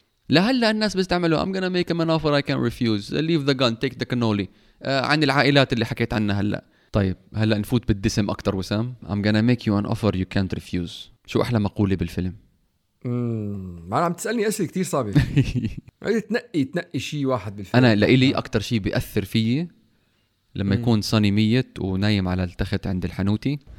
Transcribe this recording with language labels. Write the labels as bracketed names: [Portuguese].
[Arabic] لهلا الناس بيستعملوا [English] I'm gonna make him an offer I can refuse, leave the gun, take the cannoli. [Arabic] عن العائلات اللي حكيت عنها هلا. طيب هلا نفوت بالدسم اكتر وسام. [English] I'm gonna make you an offer you can't refuse. [Arabic] شو احلى مقولة بالفيلم؟ ما عم تسألني أسئلة كتير صعبة. تنقي شيء واحد بالفيلم. أنا لإلي أكتر شيء بيأثر فيي لما يكون صاني ميت ونايم على التخت عند الحنوتي.